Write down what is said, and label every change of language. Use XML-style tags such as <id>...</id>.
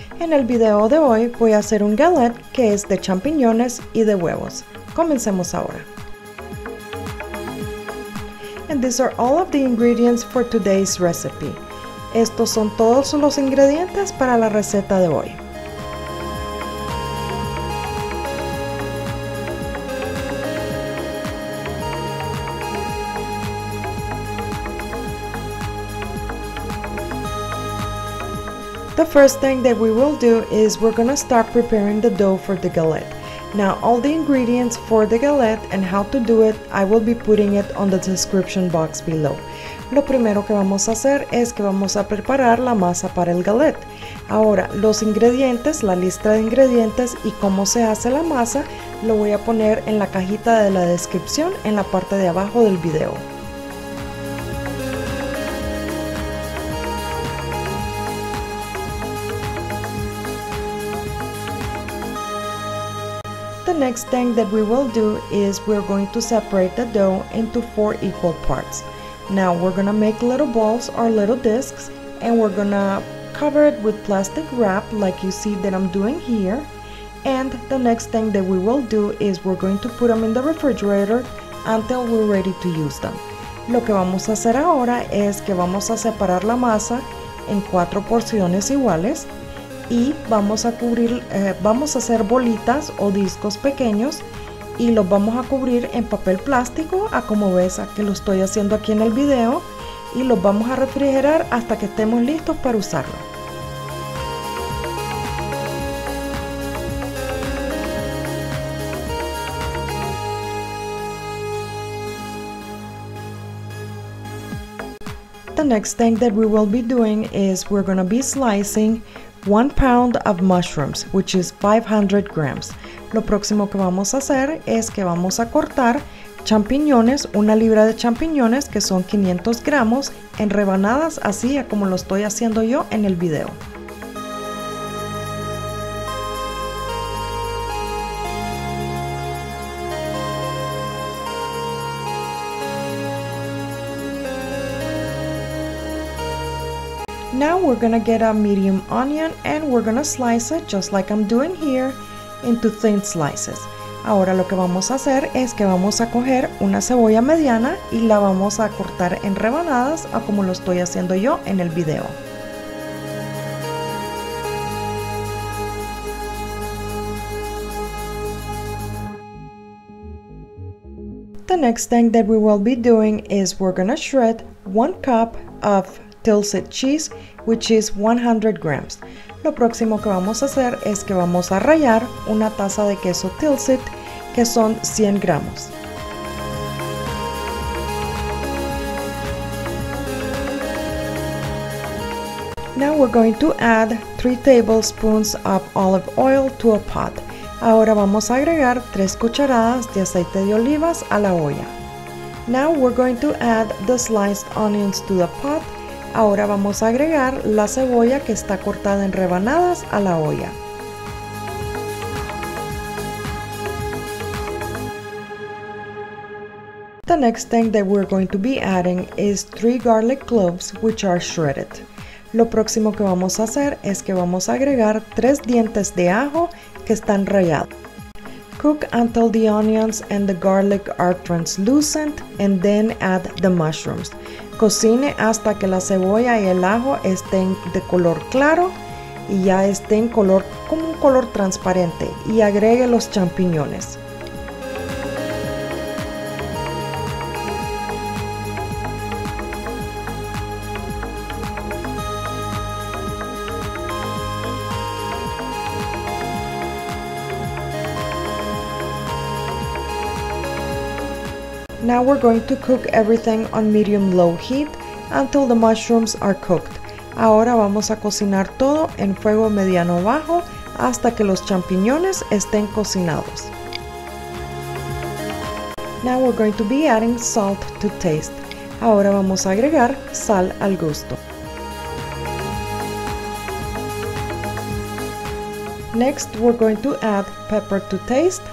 <es>En el video de hoy, voy a hacer un galette que es de champiñones y de huevos. Comencemos ahora.</es> <en>And these are all of the ingredients for today's recipe.</en> <es>Estos son todos los ingredientes para la receta de hoy.</es> <en>The first thing that we will do is we're going to start preparing the dough for the galette. Now, all the ingredients for the galette and how to do it, I will be putting it on the description box below.</en> <es>Lo primero que vamos a hacer es que vamos a preparar la masa para el galette. Ahora, los ingredientes, la lista de ingredientes y cómo se hace la masa, lo voy a poner en la cajita de la descripción en la parte de abajo del video.</es> <en>The next thing that we will do is we're going to separate the dough into four equal parts. Now we're gonna make little balls or little discs, and we're gonna cover it with plastic wrap like you see that I'm doing here. And the next thing that we will do is we're going to put them in the refrigerator until we're ready to use them.</en> <es>Lo que vamos a hacer ahora es que vamos a separar la masa en cuatro porciones iguales. Y vamos a cubrir, vamos a hacer bolitas o discos pequeños y los vamos a cubrir en papel plástico, a como ves a que lo estoy haciendo aquí en el video, y los vamos a refrigerar hasta que estemos listos para usarlo.</es> <en>The next thing that we will be doing is we're going to be slicing 1 pound of mushrooms, which is 500 grams.</en> <es>Lo próximo que vamos a hacer es que vamos a cortar champiñones, una libra de champiñones, que son 500 gramos, en rebanadas, así como lo estoy haciendo yo en el video.</es> <en>Now we're gonna get a medium onion and we're gonna slice it, just like I'm doing here, into thin slices.</en> <es>Ahora lo que vamos a hacer es que vamos a coger una cebolla mediana y la vamos a cortar en rebanadas, a como lo estoy haciendo yo en el video.</es> <en>The next thing that we will be doing is we're gonna shred 1 cup of Tilsit cheese, which is 100 grams.</en> <es>Lo próximo que vamos a hacer es que vamos a rallar una taza de queso Tilsit, que son 100 gramos.</es> <en>Now we're going to add 3 tablespoons of olive oil to a pot.</en> <es>Ahora vamos a agregar 3 cucharadas de aceite de olivas a la olla.</es> <en>Now we're going to add the sliced onions to the pot.</en> <es>Ahora vamos a agregar la cebolla que está cortada en rebanadas a la olla.</es> <en>The next thing that we're going to be adding is 3 garlic cloves, which are shredded.</en> <es>Lo próximo que vamos a hacer es que vamos a agregar 3 dientes de ajo que están rallados.</es> <en>Cook until the onions and the garlic are translucent, and then add the mushrooms.</en> <es>Cocine hasta que la cebolla y el ajo estén de color claro y ya estén color como un color transparente, y agregue los champiñones.</es> <en>Now we're going to cook everything on medium-low heat until the mushrooms are cooked.</en> <es>Ahora vamos a cocinar todo en fuego mediano-bajo hasta que los champiñones estén cocinados.</es> <en>Now we're going to be adding salt to taste.</en> <es>Ahora vamos a agregar sal al gusto.</es> <en>Next, we're going to add pepper to taste.</en>